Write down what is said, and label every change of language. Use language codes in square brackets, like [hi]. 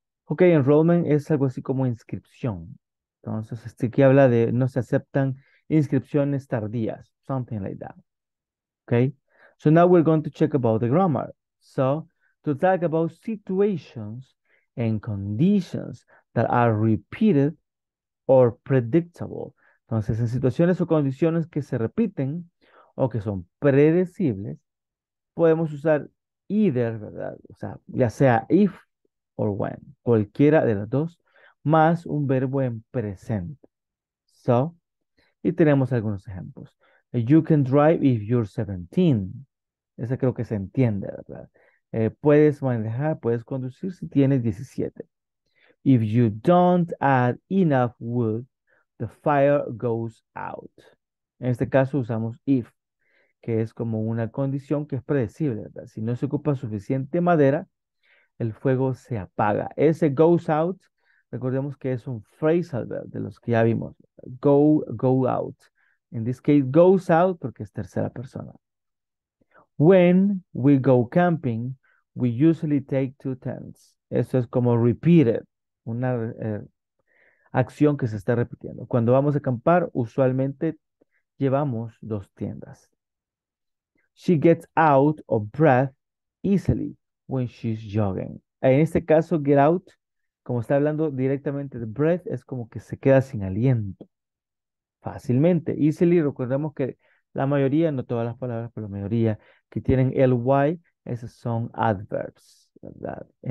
[es] Okay, enrollment es algo así como inscripción. Entonces, aquí habla de no se aceptan inscripciones tardías, [en] something like that. Okay, so now we're going to check about the grammar. So to talk about situations and conditions that are repeated or predictable. [es] Entonces, en situaciones o condiciones que se repiten o que son predecibles, podemos usar either, ¿verdad? O sea, ya sea if or when, cualquiera de las dos, más un verbo en presente. [en] So, [es] y tenemos algunos ejemplos. [en] You can drive if you're 17. [es] Esa creo que se entiende, ¿verdad? Puedes manejar, puedes conducir si tienes 17. [en] If you don't add enough wood, the fire goes out. [es] En este caso usamos if, que es como una condición que es predecible, ¿verdad? Si no se ocupa suficiente madera, el fuego se apaga. Ese goes out, recordemos que es un phrasal verb de los que ya vimos. [en] Go out. In this case, goes out [es] porque es tercera persona. [en] When we go camping, we usually take two tents. [es] Eso es como repeated, una acción que se está repitiendo. Cuando vamos a acampar, usualmente llevamos dos tiendas. [en] She gets out of breath easily when she's jogging. [es] En este caso, get out, como está hablando directamente de breath, es como que se queda sin aliento. Fácilmente. Easily, recordemos que la mayoría, no todas las palabras, pero la mayoría que tienen ly, esas son adverbs, ¿verdad?